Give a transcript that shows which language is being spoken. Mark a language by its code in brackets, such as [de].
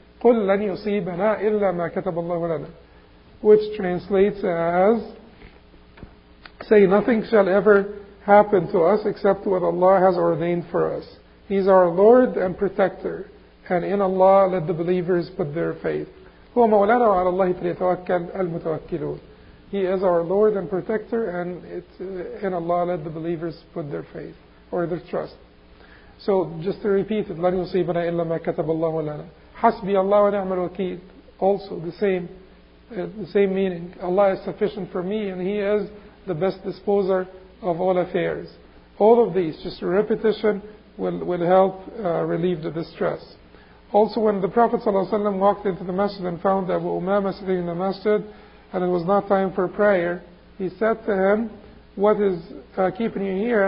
[ar] قُلْ لَنْ يُصِيبَنَا إِلَّا مَا كَتَبَ اللَّهُ لَنَا, [en] which translates as, say, nothing shall ever happen to us except what Allah has ordained for us. He's our Lord and Protector. And in Allah, let the believers put their faith. [ar] هُوَ مَوْلَانَا وَعَلَى اللَّهِ فَلْيَتَوَكَّلِ الْمُتَوَكِّلُونَ. [en] He is our Lord and Protector, and in Allah, let the believers put their faith or their trust. So just to repeat it, [ar] لَنْ يُصِيبَنَا إِلَّا مَا كَتَبَ اللَّهُ لَنَا. حَسْبِيَ اللَّهُ وَنِعْمَ الْوَكِيلُ. [en] Also, the same meaning. Allah is sufficient for me, and He is the best disposer of all affairs. All of these, just repetition, will help relieve the distress. Also, when the Prophet ﷺ walked into the masjid and found Abu Umama sitting in the masjid, and it was not time for prayer, he said to him, what is keeping you here?